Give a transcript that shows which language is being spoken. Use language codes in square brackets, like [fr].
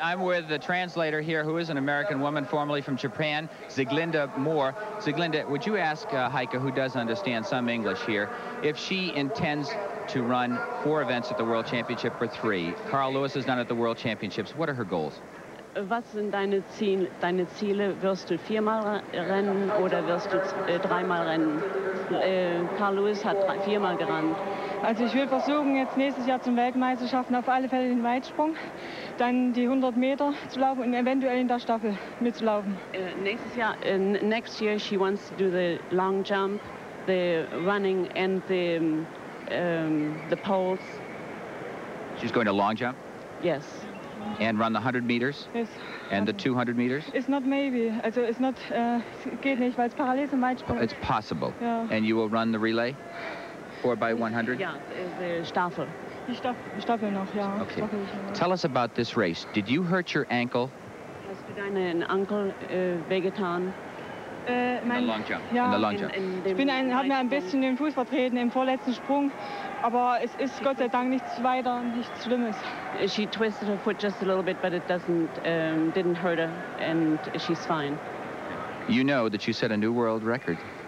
[en] I'm with the translator here, who is an American woman, formerly from Japan, Zeglinda Moore. Zeglinda, would you ask Heike, who does understand some English here, if she intends to run four events at the World Championship or three? Carl Lewis has done at the World Championships. What are her goals? [de] Was sind deine Ziele? Wirst du viermal rennen oder wirst du dreimal rennen? Carl Lewis hat viermal gerannt. Also ich will versuchen, jetzt nächstes Jahr zum Weltmeisterschaften auf alle Fälle den Weitsprung, dann die 100 Meter zu laufen und eventuell in der Staffel mitzulaufen. [en] Next year she wants to do the long jump, the running and the poles. She's going to long jump? Yes. And run the 100 meters? Yes. And the 200 meters? It's not maybe. Also it's not, [de] geht nicht, weil es parallel zum Weitsprung. [en] It's possible. Yeah. And you will run the relay? 4x100? Yeah, the Staffel. The Staffel noch, yeah. Okay. Tell us about this race. Did you hurt your ankle? [de] Hast du deinen Ankel wehgetan? [en] In the long jump. [de] Ja. [en] In the long jump. [de] Ich habe mir ein bisschen den Fuß vertreten im vorletzten Sprung, aber es ist Gott sei Dank nichts weiter, nichts Schlimmes. [en] She twisted her foot just a little bit, but it doesn't, didn't hurt her, and she's fine. You know that you set a new world record.